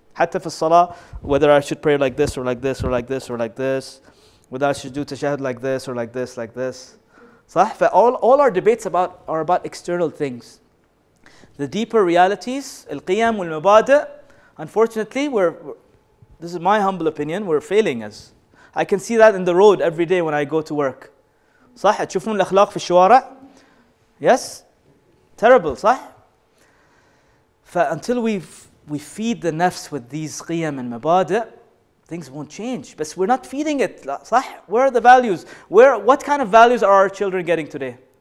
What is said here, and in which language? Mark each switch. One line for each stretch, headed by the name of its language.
English: حتى في الصلاة, whether I should pray like this or like this or like this or like this, whether I should do tashahud like this or like this, like this. صح؟ All our debates about are about external things. The deeper realities, القيم والمبادئ, unfortunately, this is my humble opinion, we're failing us. I can see that in the road every day when I go to work.
Arabic: صح؟ تشوفون الأخلاق في الشوارع؟ Yes?
English: Terrible, صح؟ Until we feed the nafs with these qiyam and mabada, things won't change. But we're not feeding it, صح؟ Where are the values? What kind of values are our children getting today?